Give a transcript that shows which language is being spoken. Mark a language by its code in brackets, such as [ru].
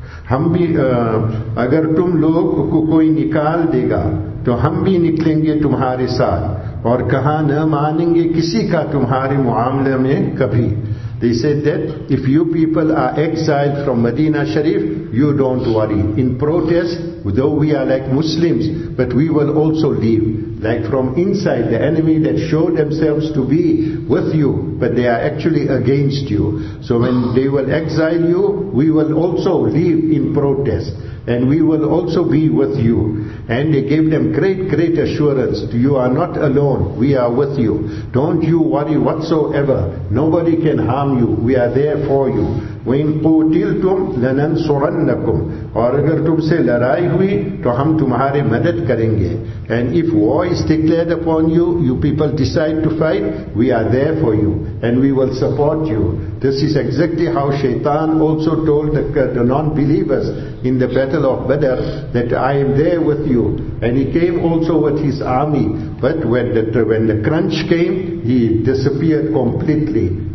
[ur] ہم بھی اگر تم لوگ کو کوئی نکال دے گا تو ہم بھی نکلیں گے تمہارے ساتھ اور کہاں نہ مانیں گے کسی کا تمہارے معاملے میں کبھی. [en] They said that if you people are exiled from Medina Sharif, you don't worry. In protest, though we are like Muslims, but we will also leave. Like from inside, the enemy that show themselves to be with you, but they are actually against you. So when they will exile you, we will also leave in protest. And we will also be with you. And they gave them great assurance. You are not alone. We are with you. Don't you worry whatsoever. Nobody can harm you. We are there for you. [ar] وَإِن قُوتِلْتُمْ لَنَنْصُرَنَّكُمْ. [ur] اور اگر تم سے لڑائی ہوئی تو ہم تمہارے مدد کریں گے. [en] And if war is declared upon you, you people decide to fight, we are there for you and we will support you. This is exactly how Shaitan also told the non-believers in the battle of Badr, that I am there with you. And he came also with his army, but when the crunch came, he disappeared completely.